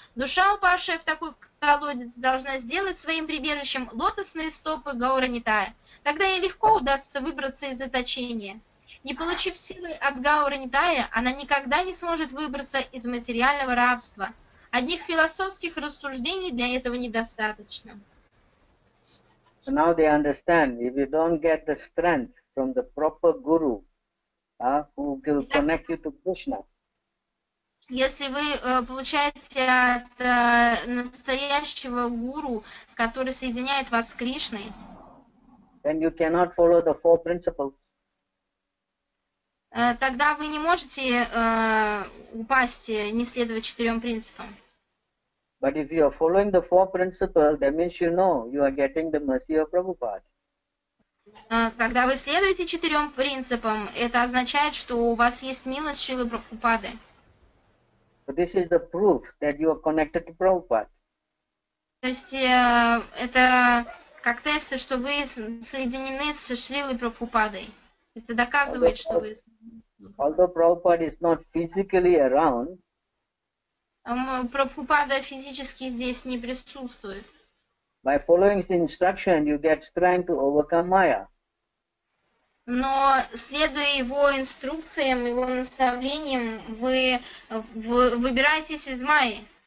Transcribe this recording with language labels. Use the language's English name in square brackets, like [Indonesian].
[Russian] Душа, упавшая в такой колодец, должна сделать своим прибежищем лотосные стопы Гаура Нитая. Тогда ей легко удастся выбраться из заточения. Не получив силы от Гаура Нитая, она никогда не сможет выбраться из материального рабства. Одних философских рассуждений для этого недостаточно. [English] Now they understand, if you don't get the strength from the proper guru, who will connect you to Krishna. [Russian] Если вы получаете от настоящего гуру, который соединяет вас с Кришной, [English] then you cannot follow the four principles. [Russian] Тогда вы не можете упасть, не следуя четырем принципам. [English] But if you are following the four principles, that means you know you are getting the mercy of Prabhupada. [Russian] Когда вы следуете четырем принципам, это означает, что у вас есть милость Шрилы Прабхупады. [English] This is the proof that you are connected to Prabhupada. [Russian] То есть это как тест, что вы соединены с Шрилой Прабхупадой. Это доказывает, [English] Although Prabhupada is not physically around, [Russian] Прабхупада физически здесь не присутствует. [English] By following his instruction, you get strength to overcome Maya. [Russian] Но следуя его инструкциям, его наставлениям, вы выбираетесь из Майи.